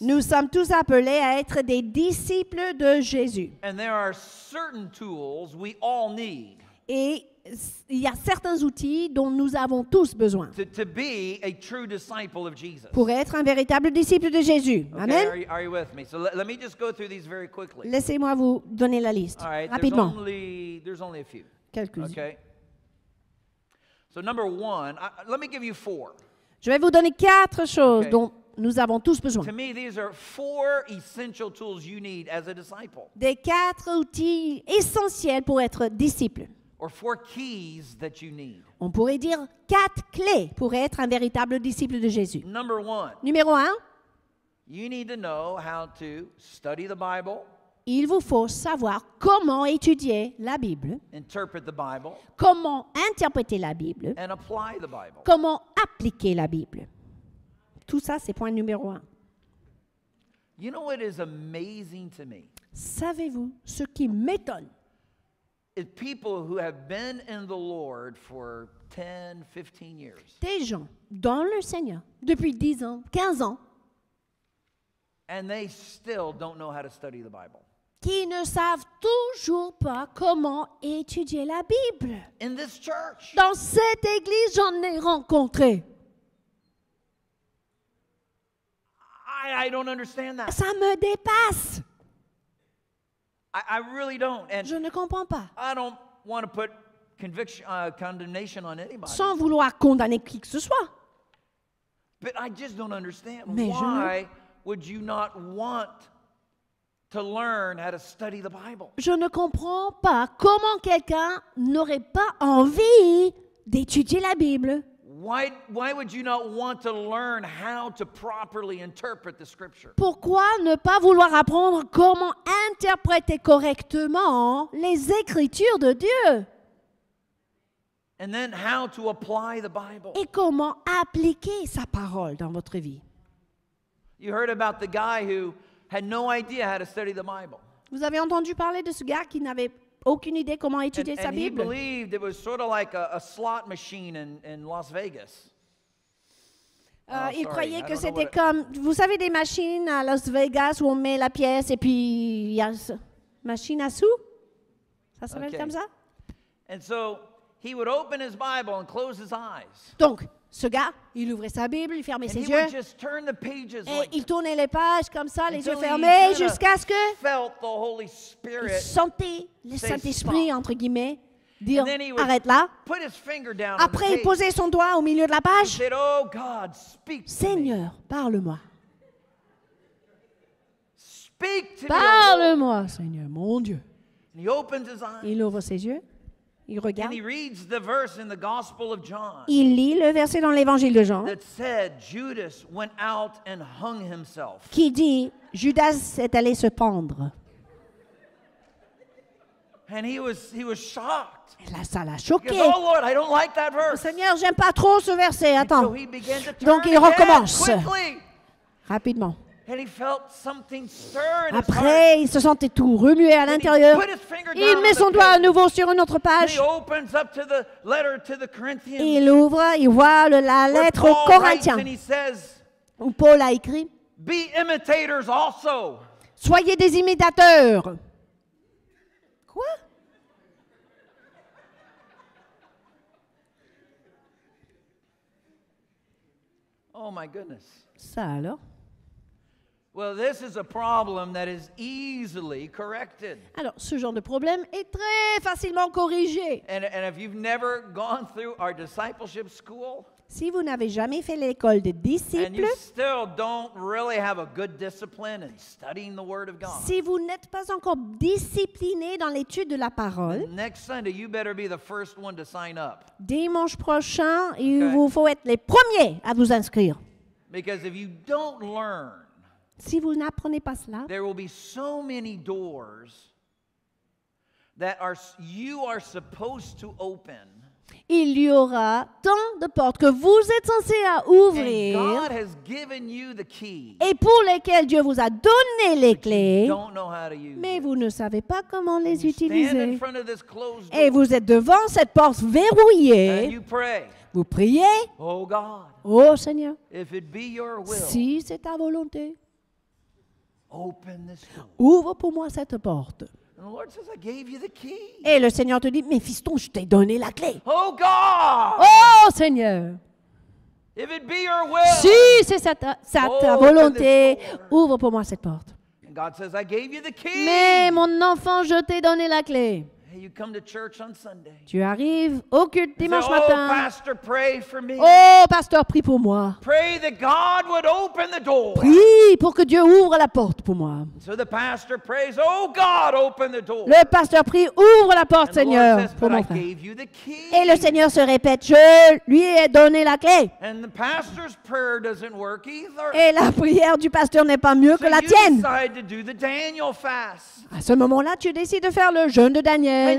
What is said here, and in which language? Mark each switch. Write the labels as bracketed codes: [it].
[fr] Nous sommes tous appelés à être des disciples de Jésus. [en] And there are certain tools we all need. [fr] Et il y a certains outils dont nous avons tous besoin. [en] To be a true disciple of Jesus. [fr] Pour être un véritable disciple de Jésus. Amen. [en] Okay, are you with me? So let me just go through these very quickly. [fr] Laissez-moi vous donner la liste rapidement. [en] There's only a few. [fr] Quelques-unes. [en] Okay. So number one, let me give you four. [fr] Je vais vous donner quatre choses dont nous avons tous besoin. [en] To me, these are four essential tools you need as a disciple. [fr] Des quatre outils essentiels pour être disciple. [en] Or four keys that you need. [fr] On pourrait dire quatre clés pour être un véritable disciple de Jésus. [en] Number one. [fr] Numéro un. [en] You need to know how to study the Bible. [fr] Il vous faut savoir comment étudier la Bible. [en] Interpret the Bible. [fr] Comment interpréter la Bible. [en] And apply the Bible. [fr] Comment appliquer la Bible. Tout ça, c'est point numéro un. [en] You know what is amazing to me? [fr] Savez-vous ce qui m'étonne? [en] It's people who have been in the Lord for 10, 15 years. [fr] Des gens dans le Seigneur depuis 10 ans, 15 ans. [en] And they still don't know how to study the Bible. [fr] Qui ne savent toujours pas comment étudier la Bible. [en] In this church. [fr] Dans cette église, j'en ai rencontré. [en] I don't understand that. [fr] Ça me dépasse. [en] I really don't. And [fr] je ne comprends pas. [en] I don't want to put condemnation on anybody. [fr] Sans vouloir condamner qui que ce soit. [en] But I just don't understand why would you not want to learn how to study the Bible? [fr] Je ne comprends pas comment quelqu'un n'aurait pas envie d'étudier la Bible. [en] Why would you not want to learn how to properly interpret the scripture? [fr] Pourquoi ne pas vouloir apprendre comment interpréter correctement les écritures de Dieu? [en] And then how to apply the Bible? [fr] Et comment appliquer sa parole dans votre vie? [en] You heard about the guy who had no idea how to study the Bible. [fr] Vous avez entendu parler de ce gars qui n'avait aucune idée comment étudier [en] and [fr] sa Bible. [en] And he believed it was sort of like a slot machine in Las Vegas. [fr] Il croyait que c'était comme, vous savez, des machines à Las Vegas où on met la pièce et puis il y a une machine à sous. Ça s'appelle comme ça? [en] And so he would open his Bible and close his eyes. [fr] Donc, ce gars, il ouvrait sa Bible, il fermait ses yeux. Et like il tournait les pages comme ça, les yeux fermés, jusqu'à ce que il sentait le Saint-Esprit, entre guillemets, dire « Arrête là ». Après, il posait son doigt au milieu de la page. [en] Said, oh God, speak to [fr] Seigneur, parle-moi. [en] Speak to [fr] parle-moi, [en] me, [fr] Seigneur, mon Dieu. [en] And he opens his eyes. [fr] Il ouvre ses yeux. Il regarde. [en] And he reads the verse in the Gospel of John. [fr] Il lit le verset dans l'Évangile de Jean. [en] That said, Judas went out and hung himself. [fr] Qui dit, Judas est allé se pendre. [en] And he was shocked. [fr] Et là, ça l'a choqué. [en] Because, oh Lord, I don't like that verse. [fr] Oh, Seigneur, j'aime pas trop ce verset. Attends. [en] So he began to turn [fr] donc il recommence [en] quickly. [fr] Rapidement. [en] And he felt something stir in [fr] après, [en] his heart. [fr] Il se sentait tout remué à l'intérieur. [en] He put his finger down [fr] il met son doigt à nouveau sur une autre page. [en] He opens up to the letter to the Corinthians. [fr] Il ouvre, il voit la lettre aux Corinthiens. [en] And he says, [fr] où Paul a écrit, [en] be imitators also. [fr] Soyez des imitateurs. Quoi? [en] Oh my goodness. [fr] Ça alors? [en] Well, this is a problem that is easily corrected. [fr] Alors, ce genre de problème est très facilement corrigé. [en] And if you've never gone through our discipleship school, [fr] si vous n'avez jamais fait l'école de disciples, [en] and you still don't really have a good discipline in studying the Word of God, [fr] si vous n'êtes pas encore discipliné dans l'étude de la parole, [en] next Sunday you better be the first one to sign up. [fr] Dimanche prochain, okay. Il vous faut être les premiers à vous inscrire. [en] Because if you don't learn, [fr] si vous n'apprenez pas cela, [en] there will be so many doors that you are supposed to open. [fr] Il y aura tant de portes que vous êtes censé à ouvrir. [en] And God has given you the key. [fr] Et pour lesquelles Dieu vous a donné les clés. [en] You don't know how to use [fr] mais [en] it. [fr] Vous ne savez pas comment les [en] you [fr] utiliser. [en] Stand in front of this closed door. [fr] Et vous êtes devant cette porte verrouillée. [en] And you pray. [fr] Vous priez. [en] Oh God. [fr] Oh Seigneur. [en] If it be your will. [fr] Si c'est ta volonté. [en] Open this door. [fr] Ouvre pour moi cette porte. [en] And the Lord says, I gave you the key. [fr] Et le Seigneur te dit, mais fiston, je t'ai donné la clé. [en] Oh God! [fr] Oh Seigneur! [en] If it be your will, [fr] si c'est ta volonté, ouvre pour moi cette porte. [en] And God says, I gave you the key. [fr] Mais mon enfant, je t'ai donné la clé. [en] Hey, you come to church on Sunday. [fr] Tu arrives au culte dimanche matin. [en] Oh, pastor, pray for me. [fr] Oh, pasteur, prie pour moi. [en] Pray that God would open the door. [fr] Prie pour que Dieu ouvre la porte pour moi. [en] So the pastor prays, oh God, open the door. [fr] Le pasteur prie, ouvre la porte, Seigneur, pour mon frère. [en] I gave you the key. [fr] Et le Seigneur se répète, je lui ai donné la clé. [en] And the pastor's prayer doesn't work either. [fr] Et la prière du pasteur n'est pas mieux [en] so [fr] que la tienne. [en] You decide to do the Daniel fast. [fr] À ce moment-là, tu décides de faire le jeûne de Daniel.